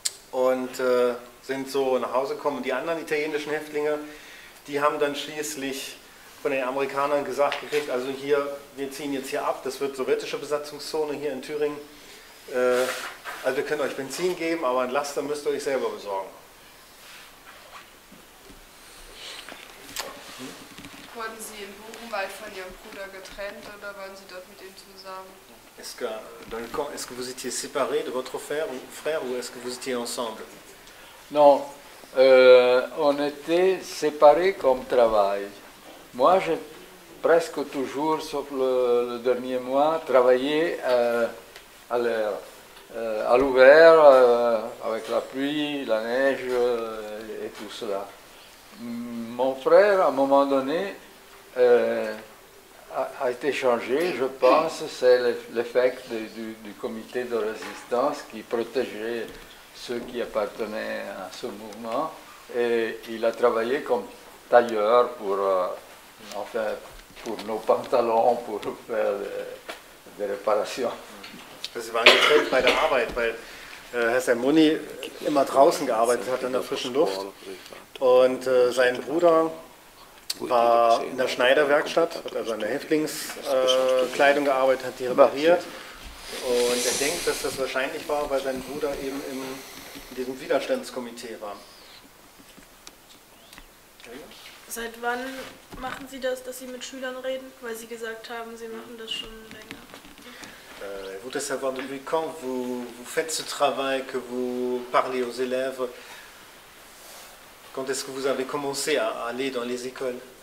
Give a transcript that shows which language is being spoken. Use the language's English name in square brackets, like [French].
[German] Und sind so nach Hause gekommen. Die anderen italienischen Häftlinge, die haben dann schließlich von den Amerikanern gesagt gekriegt, also hier, wir ziehen jetzt hier ab, das wird sowjetische Besatzungszone hier in Thüringen. Also wir können euch Benzin geben, aber einen Laster müsst ihr euch selber besorgen. Wurden Sie in Buchenwald von Ihrem Bruder getrennt oder waren Sie dort mit ihm zusammen? [French] Est-ce que vous étiez séparés de votre frère, ou est-ce que vous étiez ensemble? Non, on était séparés comme travail. Moi, j'ai presque toujours, sauf le dernier mois, travaillé à l'ouvert, avec la pluie, la neige et tout cela. Mon frère, à un moment donné, a été changé, je pense, c'est l'effet du comité de résistance qui protégeait ceux qui appartenaient à ce mouvement. Et il a travaillé comme tailleur pour, enfin, pour nos pantalons, pour faire des réparations. [German] Sie waren getrennt bei der Arbeit, weil Herr Salmoni immer draußen gearbeitet hat in der frischen Luft. Und sein Bruder war in der Schneiderwerkstatt, hat also an der Häftlingskleidung gearbeitet, hat die repariert. Und er denkt, dass das wahrscheinlich war, weil sein Bruder eben in diesem Widerstandskomitee war. Seit wann machen Sie das, dass Sie mit Schülern reden? Weil Sie gesagt haben, Sie machen das schon länger. [French] Voudrais savoir depuis quand vous faites ce travail, que vous parlez aux élèves. Quand est-ce que vous avez commencé à aller dans les écoles?